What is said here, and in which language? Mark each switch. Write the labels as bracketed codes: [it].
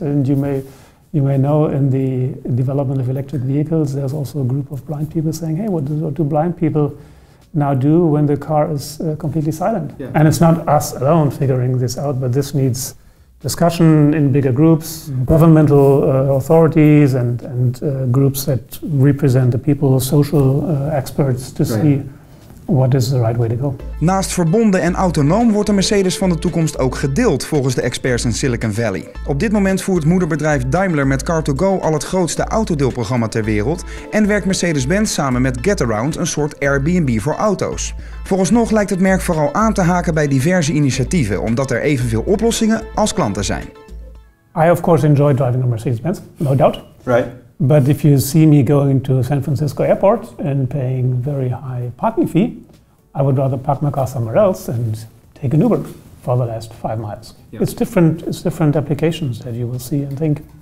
[en] And you may know in the development of electric vehicles, there's also a group of blind people saying, hey, what do blind people now do when the car is completely silent? Yeah. And it's not us alone figuring this out, but this needs discussion in bigger groups, governmental authorities and groups that represent the people, social experts to see what is the right way to go. [nl] Naast verbonden en autonoom wordt de Mercedes van de toekomst ook gedeeld, volgens de experts in Silicon Valley. Op dit moment voert moederbedrijf Daimler met Car2Go al het grootste autodeelprogramma ter wereld en werkt Mercedes-Benz samen met Getaround, een soort Airbnb voor auto's. Vooralsnog lijkt het merk vooral aan te haken bij diverse initiatieven, omdat er evenveel oplossingen als klanten zijn. [en] I of course enjoy driving a Mercedes-Benz, no doubt. Right. But if you see me going to San Francisco airport and paying very high parking fee, I would rather park my car somewhere else and take an Uber for the last 5 miles. Yep. It's different applications that you will see and think.